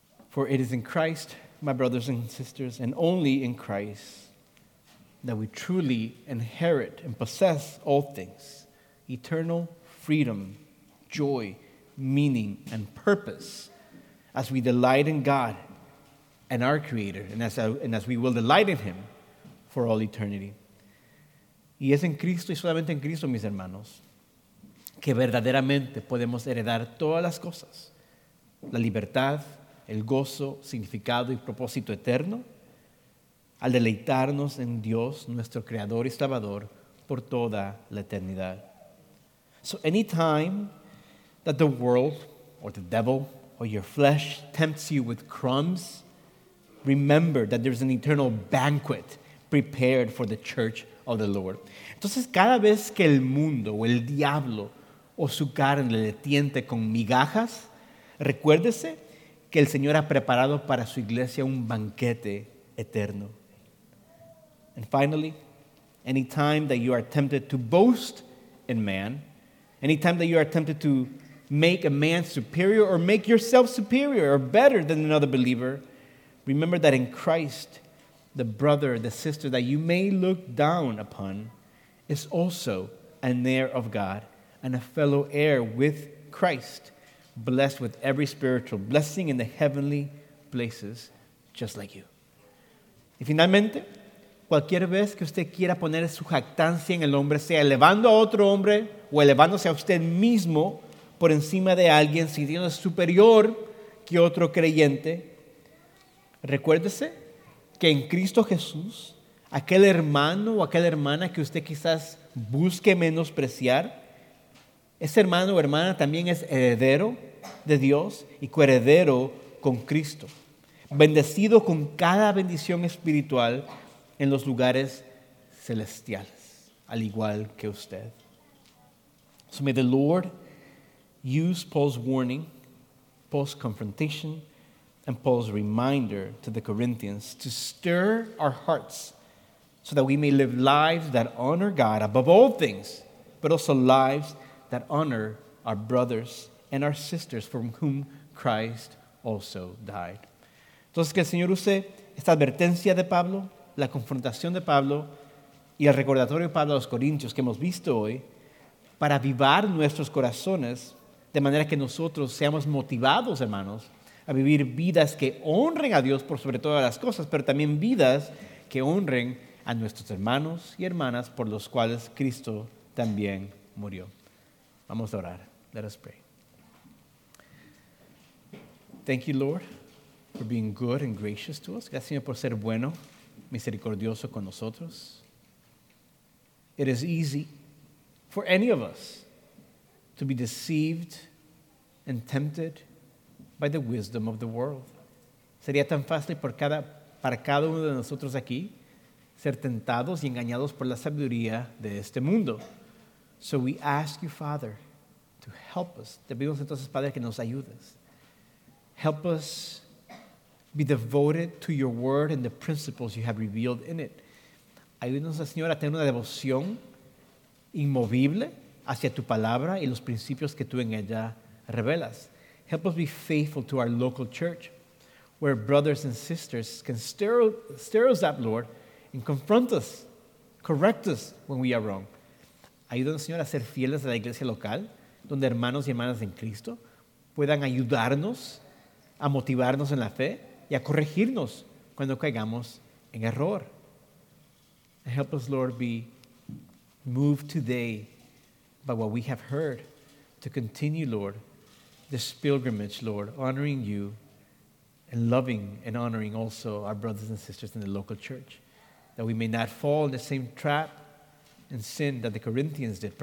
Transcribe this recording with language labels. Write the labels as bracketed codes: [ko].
[en] For it is in Christ, my brothers and sisters, and only in Christ, that we truly inherit and possess all things, eternal freedom, joy, meaning, and purpose, as we delight in God and our Creator, and as we will delight in Him, for all eternity. [es] Y es en Cristo y solamente en Cristo, mis hermanos, que verdaderamente podemos heredar todas las cosas. La libertad, el gozo, significado y propósito eterno, al deleitarnos en Dios, nuestro Creador y Salvador, por toda la eternidad. [en] So anytime that the world, or the devil, or your flesh tempts you with crumbs, remember that there's an eternal banquet prepared for the church of the Lord. [es] Entonces, cada vez que el mundo o el diablo o su carne le tiente con migajas, recuérdese que el Señor ha preparado para su iglesia un banquete eterno. [en] And finally, anytime that you are tempted to boast in man, anytime that you are tempted to make a man superior or make yourself superior or better than another believer, remember that in Christ, the brother, the sister that you may look down upon is also an heir of God and a fellow heir with Christ. blessed with every spiritual blessing in the heavenly places, just like you. [es] Y finalmente, cualquier vez que usted quiera poner su jactancia en el hombre, sea elevando a otro hombre o elevándose a usted mismo por encima de alguien, sintiéndose superior que otro creyente, recuérdese que en Cristo Jesús, aquel hermano o aquella hermana que usted quizás busque menospreciar, ese hermano o hermana también es heredero de Dios y coheredero con Cristo, bendecido con cada bendición espiritual en los lugares celestiales, al igual que usted. [en] So may the Lord use Paul's warning, Paul's confrontation, and Paul's reminder to the Corinthians to stir our hearts so that we may live lives that honor God above all things, but also lives that honor our brothers and our sisters from whom Christ also died. [es] Entonces que el Señor use esta advertencia de Pablo, la confrontación de Pablo y el recordatorio de Pablo a los Corintios que hemos visto hoy para avivar nuestros corazones de manera que nosotros seamos motivados, hermanos, a vivir vidas que honren a Dios por sobre todas las cosas, pero también vidas que honren a nuestros hermanos y hermanas por los cuales Cristo también murió. Vamos a orar. [en] Let us pray. Thank you, Lord, for being good and gracious to us. [es] Gracias, Señor, por ser bueno, misericordioso con nosotros. [en] It is easy for any of us to be deceived and tempted by the wisdom of the world. [es] Sería tan fácil para cada uno de nosotros aquí ser tentados y engañados por la sabiduría de este mundo. [en] So we ask you, Father, to help us. [es] Te pedimos entonces, Padre, que nos ayudes. [en] Help us be devoted to your word and the principles you have revealed in it. [es] Ayúdanos, Señor, a tener una devoción inmovible hacia tu palabra y los principios que tú en ella revelas. [en] Help us be faithful to our local church, where brothers and sisters can stir us up, Lord, and confront us, correct us when we are wrong. [es] Ayúdanos, Señor, a ser fieles a la iglesia local, donde hermanos y hermanas en Cristo puedan ayudarnos a motivarnos en la fe y a corregirnos cuando caigamos en error. [en] And help us, Lord, be moved today by what we have heard to continue, Lord, this pilgrimage, Lord, honoring you and loving and honoring also our brothers and sisters in the local church, that we may not fall in the same trap and sin that the Corinthians did.